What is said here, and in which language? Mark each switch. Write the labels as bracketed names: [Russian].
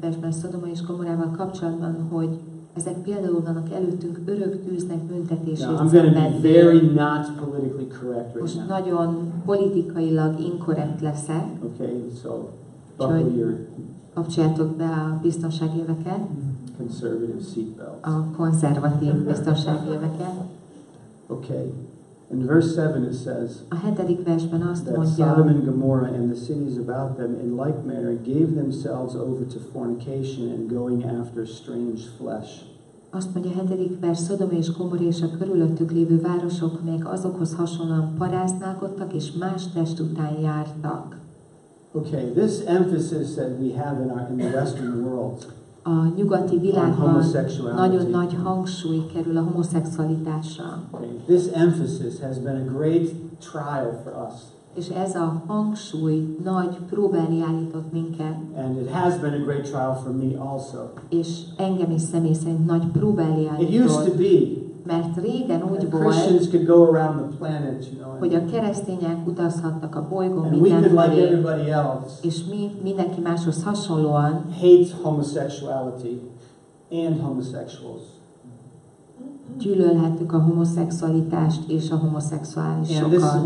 [Hungarian] versben Szodoma és Gomorrával kapcsolatban, hogy ezek például vannak előttünk örök tűznek büntetését szenvedni. [English] I'm going to be very not politically correct right [Hungarian] most [English] now. [Hungarian] Nagyon politikailag inkorrekt leszek. [English] Okay, so buckle your... [Hungarian] Kapcsoljátok be a biztonságéveket. [English] Conservative seatbelts. [Hungarian] A konzervatív biztonságéveket. [English] Okay. In verse 7 it says [Hungarian] a hetedik versben azt [English] that [Hungarian] mondja, [English] Sodom and Gomorrah and the cities about them in like manner gave themselves over to fornication and going after strange flesh. [Hungarian] Azt mondja a hetedik vers, Sodoma és Gomorra és a körülöttük lévő városok, melyek azokhoz hasonlóan paráználkodtak és más test után jártak. [English] Okay, this emphasis that we have in the Western world [Hungarian] a nyugati világban nagyon nagy hangsúly kerül a homoszexualitásra. [English] Okay. This emphasis has been a great trial for us. [Hungarian] És ez a hangsúly nagy próbán állított minket. [English] And it has been a great trial for me also. [Hungarian] És engem is személy szerint nagy próbán állított. [English] It used to be. [Hungarian] Mert régen úgy volt, [English] Christians could go around the planet, you know, [Hungarian] hogy a keresztények utazhattak a bolygón mindenkivé, és mi mindenki máshoz hasonlóan [English] hates homosexuality and homosexuals. [Hungarian] Gyűlölhettük a homoszexualitást és a homoszexuálisokat.